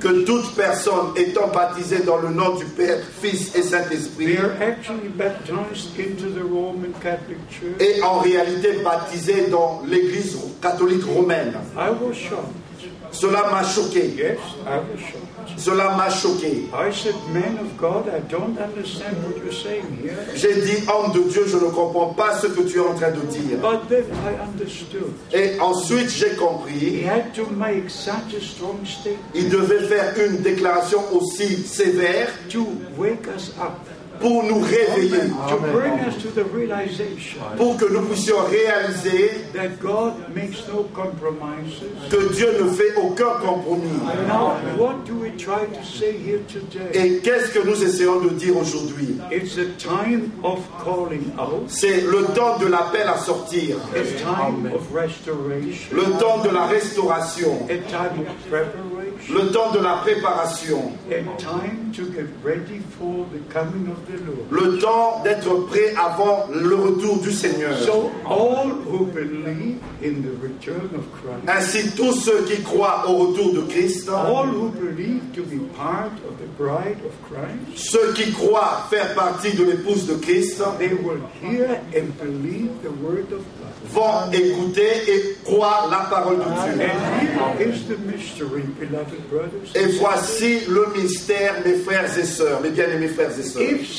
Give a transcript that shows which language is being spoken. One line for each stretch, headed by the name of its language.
French: que toute personne étant baptisée dans le nom du Père, Fils et Saint-Esprit,
English: they are actually baptized into the Roman Catholic Church,
French: et en réalité baptisés dans l'église catholique romaine.
English: I was shocked.
French: Cela m'a choqué.
English: Yes, I was shocked.
French: Cela m'a choqué.
English: I said, man of God, I don't understand what you're saying here.
French: J'ai dit, homme de Dieu, je ne comprends pas ce que tu es en train de dire.
English: But then I understood.
French: Et ensuite, j'ai compris.
English: He had to make such a strong statement.
French: Il devait faire une déclaration aussi sévère.
English: To wake us up.
French: Pour nous réveiller.
English: To bring us to the realization,
French: pour que nous puissions réaliser
English: that God makes no compromises,
French: que Dieu ne fait aucun compromis.
English: Now, what do we try to say here today?
French: Et qu'est-ce que nous essayons de dire aujourd'hui?
English: It's a time of calling out.
French: C'est le temps de l'appel à sortir.
English: A time of restoration.
French: Le temps de la restauration.
English: A time of preparation.
French: Le temps de la préparation.
English: A time to get ready for the coming of the Lord.
French: Le temps d'être prêt avant le retour du Seigneur.
English: So all who believe in the return of Christ.
French: Ainsi tous ceux qui croient au retour de Christ.
English: All who believe to be part of the bride of Christ.
French: Ceux qui croient faire partie de l'épouse de Christ.
English: They will hear and believe the word of God.
French: Vont écouter et croire la parole de Dieu. Et voici le mystère, mes frères et sœurs, mes bien-aimés frères et sœurs.